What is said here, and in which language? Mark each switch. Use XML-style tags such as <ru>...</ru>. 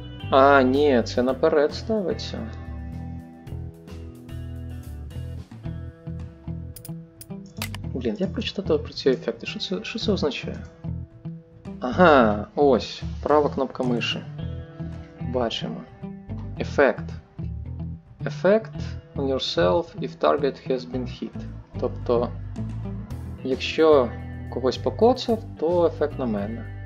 <uk>А, ні, це наперед ставиться. Блін, я прочитав про ці ефекти. Що це означає? Ага, ось, права кнопка миші. Бачимо. Ефект.</uk> <en>Ефект on yourself if target has been hit.</en> <uk>Тобто, якщо когось покоцав, то ефект на мене.</uk>